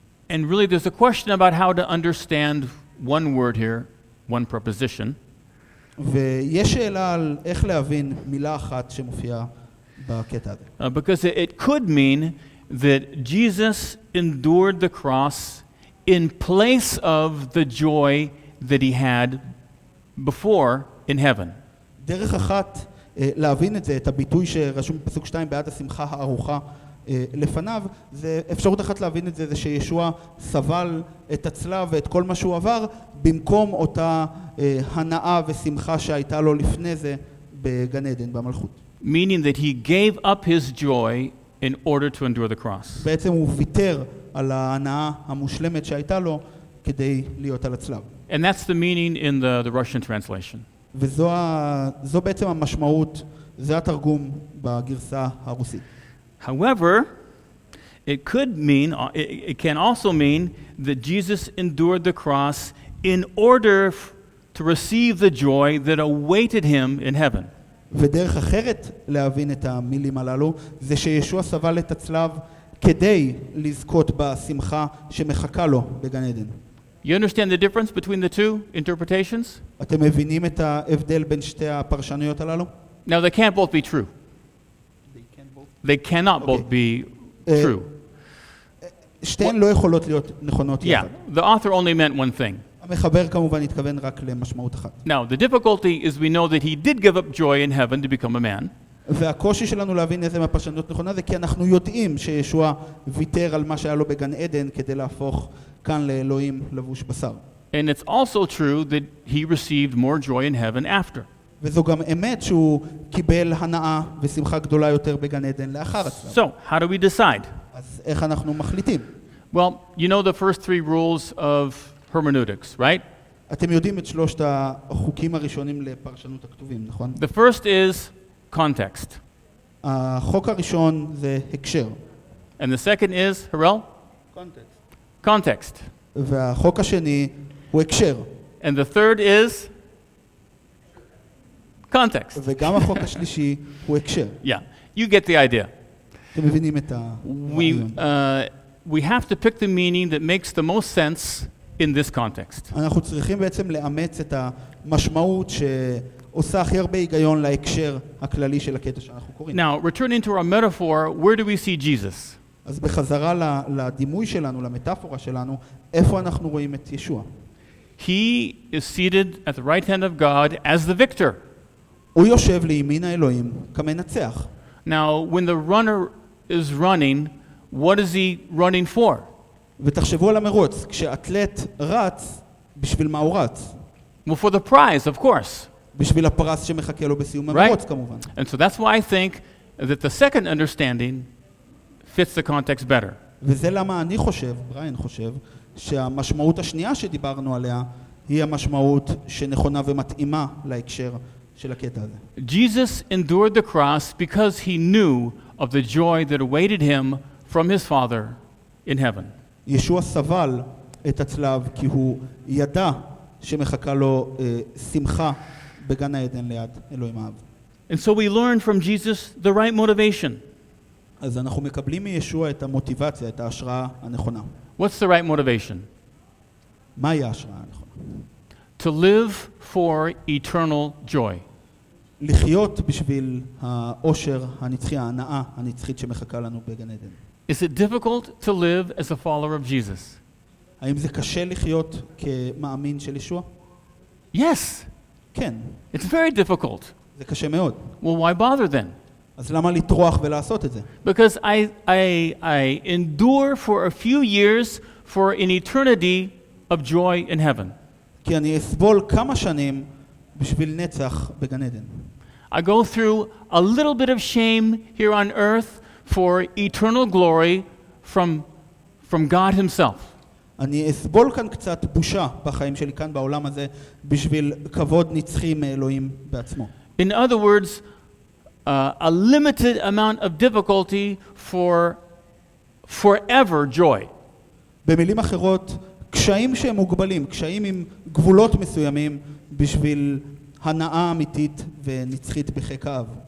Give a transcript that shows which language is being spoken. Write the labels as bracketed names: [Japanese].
[English] And really there's a question about how to understand one word here, one preposition. [Hebrew] ויש שאלה על איך להבין מילה אחת שמופיעה בקטע הזה. [English] Because it could mean that Jesus endured the cross in place of the joy that he had before in heaven. [Hebrew] דרך אחת להבין את זה, את הביטוי שרשום בפסוק 2 בעד השמחה הארוכה לפניו, זה אפשרות אחת להבין את זה, זה שישוע סבל את הצלב ואת כל מה שהוא עבר במקום אותה הנאה ושמחה שהייתה לו לפני זה בגן עדן, במלכות. [English] Meaning that he gave up his joy in order to endure the cross. [Hebrew] בעצם הוא ויתר על ההנאה המושלמת שהייתה לו כדי להיות על הצלב. [English] And that's the meaning in the Russian translation. [Hebrew] וזו בעצם המשמעות, זה התרגום בגרסה הרוסית. [English] However, it could mean, it can also mean that Jesus endured the cross in order to receive the joy that awaited him in heaven. [Hebrew] ודרך אחרת להבין את המילים הללו, זה שישוע סבל את הצלב כדי לזכות בשמחה שמחכה לו בגן עדן. [English] You understand the difference between the two interpretations? [Hebrew] אתם מבינים את ההבדל בין שתי הפרשנויות הללו? [English] Now they can't both be true. They cannot both be true. [Hebrew] שתיהן לא יכולות להיות נכונות יחד. [English] Yeah, the author only meant one thing. [Hebrew] המחבר כמובן התכוון רק למשמעות אחת. [English] Now, the difficulty is we know that he did give up joy in heaven to become a man. [Hebrew] והקושי שלנו להבין איזה מהפרשנות נכונה זה כי אנחנו יודעים שישוע ויתר על מה שהיה לו בגן עדן כדי להפוך כאן לאלוהים לבוש בשר. [English] And it's also true that he received more joy in heaven after. [Hebrew] וזו גם אמת שהוא קיבל הנאה ושמחה גדולה יותר בגן עדן לאחר הצלב. [English] So, how do we decide? [Hebrew] אז איך אנחנו מחליטים? [English] Well, you know the first three rules of hermeneutics, right? [Hebrew] אתם יודעים את שלושת החוקים הראשונים לפרשנות הכתובים, נכון? [English] The first is context. החוק הראשון זה הקשר. And the second is, Harel? Context. [Hebrew] והחוק השני הוא הקשר. [English] And the third is? context. [Hebrew] וגם החוק השלישי הוא הקשר. [English] Yeah, you get the idea. [Hebrew] אתם מבינים את ה... [English] We have to pick the meaning that makes the most sense in this context. [Hebrew] אנחנו צריכים בעצם לאמץ את המשמעות שעושה הכי הרבה היגיון להקשר הכללי של הקטע שאנחנו קוראים. [English] Now, returning to our metaphor, where do we see Jesus? [Hebrew] אז בחזרה לדימוי שלנו, למטאפורה שלנו, איפה אנחנו רואים את ישוע? [English] He is seated at the right hand of God as the victor. [Hebrew] הוא יושב לימין האלוהים כמנצח. [English] Now, when the runner is running, what is he running for? [Hebrew] ותחשבו על המרוץ, כשאתלט רץ, בשביל מה הוא רץ? [English] Well, for the prize, of course. [Hebrew] בשביל הפרס שמחכה לו בסיום המרוץ, כמובן. [English] And so that's why I think that the second understanding fits the context better. [Hebrew] וזה למה אני חושב, בריין חושב, שהמשמעות השנייה שדיברנו עליה היא המשמעות שנכונה ומתאימה להקשר של הקטע הזה. [English] Jesus endured the cross because he knew of the joy that awaited him from his father in heaven. [Hebrew] ישוע סבל את הצלב כי הוא ידע שמחכה לו שמחה בגן העדן ליד אלוהים האב. [English] And so we learn from Jesus the right motivation. [Hebrew] אז אנחנו מקבלים מישוע את המוטיבציה, את ההשראה הנכונה. [English] What's the right motivation? [Hebrew] מהי ההשראה הנכונה? [English] To live for eternal joy. [Hebrew] לחיות בשביל האושר הנצחי, ההנאה הנצחית שמחכה לנו בגן עדן. [English] Is it difficult to live as a follower of Jesus? [Hebrew] האם זה קשה לחיות כמאמין של ישוע? [English] Yes. [Hebrew] כן. [English] It's very difficult. [Hebrew] זה קשה מאוד. [English] Well, why bother then? [Hebrew] אז למה לטרוח ולעשות את זה? [English] Because I endure for a few years for an eternity of joy in heaven. [Hebrew] כי אני אסבול כמה שנים בשביל נצח בגן עדן. [English] I go through a little bit of shame here on earth for eternal glory from God himself. [Hebrew] אני אסבול כאן קצת בושה בחיים שלי כאן בעולם הזה בשביל כבוד נצחי מאלוהים בעצמו. [English] In other words, a limited amount of difficulty for forever joy. [Hebrew] במילים אחרות, קשיים שהם מוגבלים, קשיים עם גבולות מסוימים בשביל הנאה אמיתית ונצחית בחיק האב.